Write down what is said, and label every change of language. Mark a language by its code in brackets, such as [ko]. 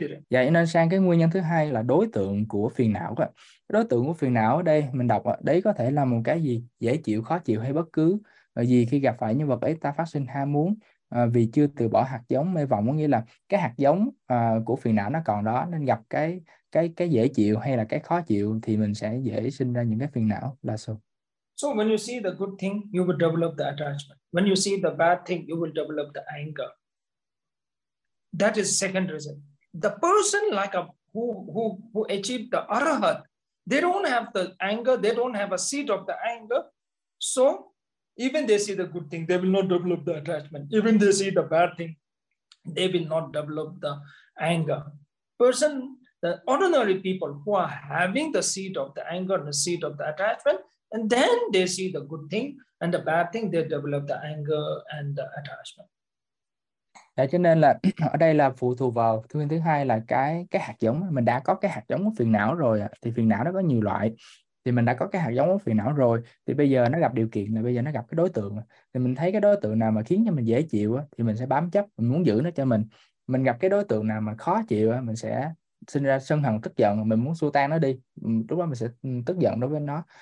[vi] Vậy nên sang cái nguyên nhân thứ hai là đối tượng của phiền não. Đối tượng của phiền não ở đây mình đọc đấy có thể là một cái gì dễ chịu, khó chịu hay bất cứ gì khi gặp phải nhân vật ấy ta phát sinh ham muốn vì chưa từ bỏ hạt giống mê vọng, có nghĩa là cái hạt giống của phiền não nó còn đó, nên gặp cái dễ chịu hay là cái khó chịu thì mình sẽ dễ sinh ra những cái phiền não là sao. [en] So when you see the good thing, you will develop the attachment. When you see the bad thing, you will develop the anger. That is second reason. The person like a who achieved the arahat, they don't have the anger, they don't have a seed of the anger. So even they see the good thing, they will not develop the attachment. Even they see the bad thing, they will not develop the anger. Person, the ordinary people who are having the seed of the anger and the seed of the attachment, and then they see the good thing and the bad thing, they develop the anger and the attachment. [vi] Đấy, cho nên là ở đây là phụ thuộc vào thứ thứ hai là cái hạt giống mình đã có, cái hạt giống của phiền não rồi, thì phiền não nó có nhiều loại, thì mình đã có cái hạt giống của phiền não rồi, thì bây giờ nó gặp điều kiện là bây giờ nó gặp cái đối tượng, thì mình thấy cái đối tượng nào mà khiến cho mình dễ chịu thì mình sẽ bám chấp, mình muốn giữ nó cho mình gặp cái đối tượng nào mà khó chịu mình sẽ sinh ra sân hận tức giận, mình muốn xua tan nó đi, lúc đó mình sẽ tức giận đối với nó.